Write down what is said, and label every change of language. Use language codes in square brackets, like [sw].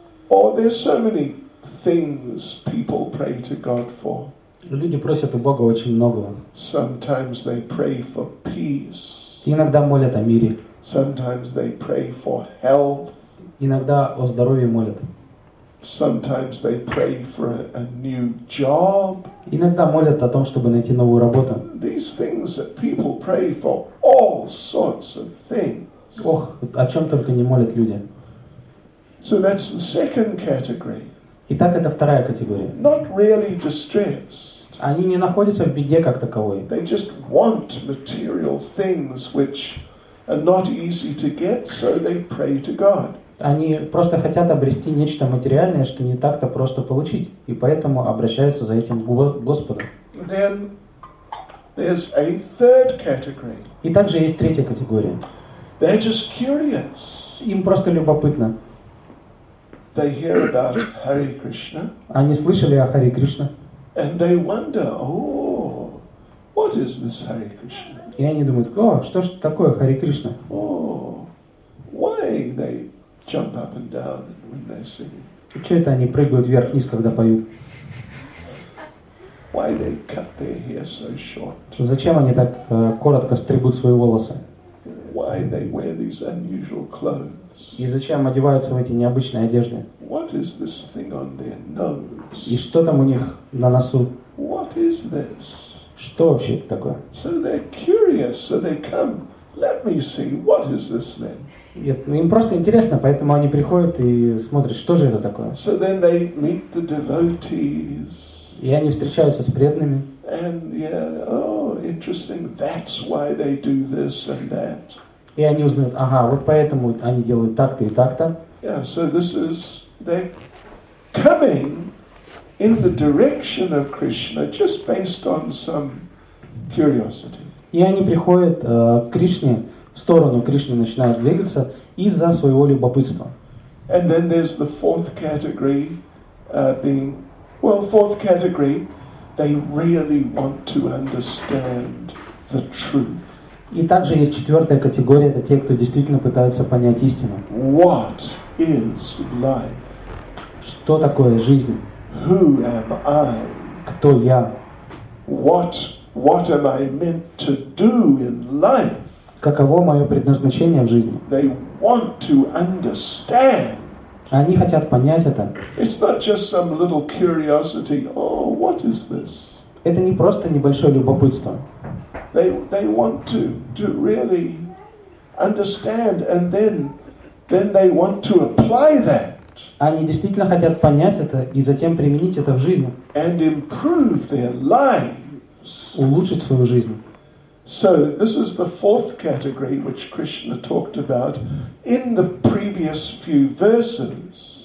[en] Or there's so many things people pray to God for. [ru] Люди просят у Бога очень многого. [en] Sometimes they pray for peace. [ru] Иногда молят о мире. [en] Sometimes they pray for health. [ru] Иногда о здоровье молят. [en] Sometimes they pray for a new job. [ru] Иногда молят о том, чтобы найти новую работу. [en] These things that people pray for, all sorts of things. [ru] Ох, о чем только не молят люди. [en] So that's the second category. [ru] Итак, это вторая категория. [en] Not really distressed. [ru] Они не находятся в беде как таковой. [en] They just want material things which are not easy to get, so they pray to God. [ru] Они просто хотят обрести нечто материальное, что не так-то просто получить, и поэтому обращаются за этим к Господу. [en] Then there's a third category. [ru] И также есть третья категория. [en] They're just curious. [ru] Им просто любопытно. [en] They hear about Hare Krishna. [ru] Они слышали о Харе Кришне. [en] And they wonder, oh, what is this Hare Krishna? [ru] И они думают, о, что ж такое Харе Кришна? [en] Oh, why they jump up and down when they sing? [ru] И что это они прыгают вверх-вниз, когда поют? [en] Why they cut their hair so short? [ru] Зачем они так коротко стригут свои волосы? [en] Why they wear these unusual clothes? [ru] И зачем одеваются в эти необычные одежды? [en] What is this thing on their nose? [ru] И что там у них на носу? [en] What is this? [ru] Что вообще это такое? [en] So they're curious, so they come. Let me see, what is this then? [ru] Нет, ну им просто интересно, поэтому они приходят и смотрят, что же это такое. [en] So then they meet the devotees. [ru] И они встречаются с преданными. [en] And yeah, oh, interesting, that's why they do this and that. [ru] И они узнают, ага, вот поэтому они делают так-то и так-то. [en] Yeah, so this is, they're coming in the direction of Krishna just based on some curiosity. [ru] И они приходят к Кришне, в сторону Кришны начинают двигаться из-за своего любопытства. [en] And then there's the fourth category being, well, fourth category, they really want to understand the truth. [ru] И также есть четвертая категория, это те, кто действительно пытаются понять истину. [en] What is life? [ru] Что такое жизнь? [en] Who am I? [ru] Кто я? [en] What am I meant to do in life? [ru] Каково мое предназначение в жизни? [en] They want to understand. [ru] Они хотят понять это. [en] It's not just some little curiosity. Oh, what is this? [ru] Это не просто небольшое любопытство. [en] They want to really understand, and then they want to apply that. [ru] Они действительно хотят понять это и затем применить это в жизни. [en] And improve their lives. [ru] Улучшить свою жизнь. [en] So this is the fourth category which Krishna talked about in the previous few verses.